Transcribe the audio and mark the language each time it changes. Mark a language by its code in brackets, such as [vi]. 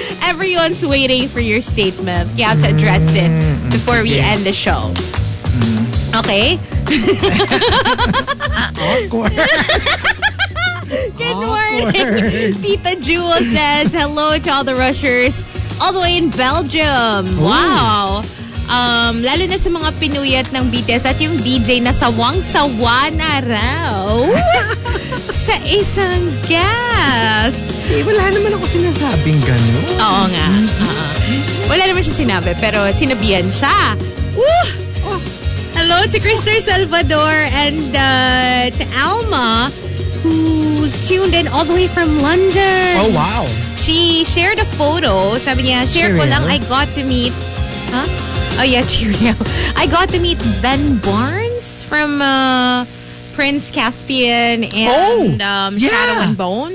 [en] Everyone's waiting for your statement. You have to address it before we end the show. Okay? Awkward. Good morning. Tita Jewel says hello to all the rushers all the way in Belgium. Ooh. Wow. [tl] Lalo na sa mga Pinoy at ng BTS at yung DJ na sawang-sawa na raw. Sa isang guest. Eh, wala naman ako sinasabing gano'n. Oo nga. Wala naman siya sinabi, pero sinabihan siya. Woo! Oh. [en] Hello to Christopher Salvador and to Alma, who's tuned in all the way from London. Oh, wow. She shared a photo. [tl] Sabi niya, share ko lang, [en] I got to meet... Huh? Oh, yeah, cheerio. I got to meet Ben Barnes from... Prince Caspian and Shadow and Bone.